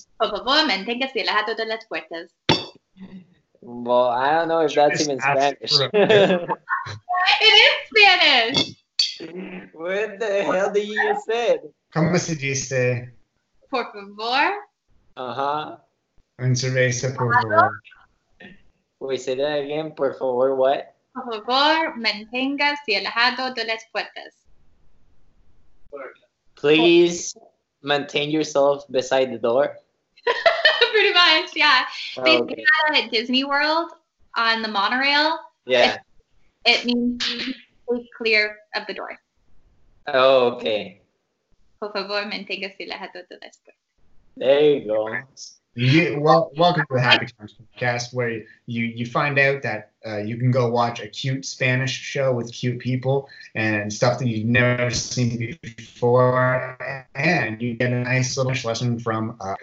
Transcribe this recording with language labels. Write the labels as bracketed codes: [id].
[es] Por favor, mantenga cerrado todas las puertas. [en] Well, I don't know if that's even Spanish. It is Spanish. What the hell did you just say? [es] ¿Cómo se dice? Por favor. Uh-huh. En cerveza, por favor. [en] Wait, say that again. [es] Por favor, [en] what? [es] Por favor, mantenga cerrado todas las puertas. [en] Please maintain yourself beside the door. Pretty much, yeah. They do that at Disney World on the monorail. Yeah. It means please clear of the door. Oh, okay. [es] Por favor, mantenga silencio de las puertas. [en] There you go. You, well, welcome to the Happy Times podcast, where you find out that you can go watch a cute Spanish show with cute people and stuff that you've never seen before, and you get a nice little lesson from.